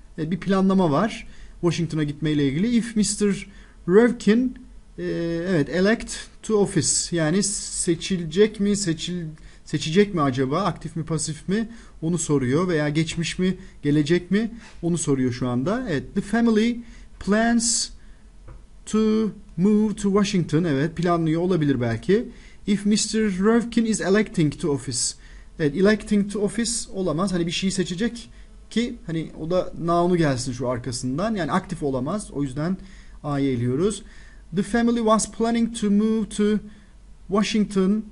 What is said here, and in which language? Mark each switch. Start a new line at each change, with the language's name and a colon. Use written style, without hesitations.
Turkish: Bir planlama var Washington'a gitmeyle ilgili.
English: If Mr.
Turkish: Rivkin evet
English: elect to office,
Turkish: yani seçilecek mi, seçecek mi acaba, aktif mi pasif mi onu soruyor veya geçmiş mi gelecek mi onu soruyor şu anda.
English: Evet, the family plans to move to Washington.
Turkish: Evet, planlıyor olabilir belki.
English: If Mr. Rivkin is electing to office.
Turkish: Evet, electing to office olamaz. Hani bir şeyi seçecek ki hani o da noun'u gelsin şu arkasından. Yani aktif olamaz. O yüzden A'yı eliyoruz.
English: The family was planning to move to Washington.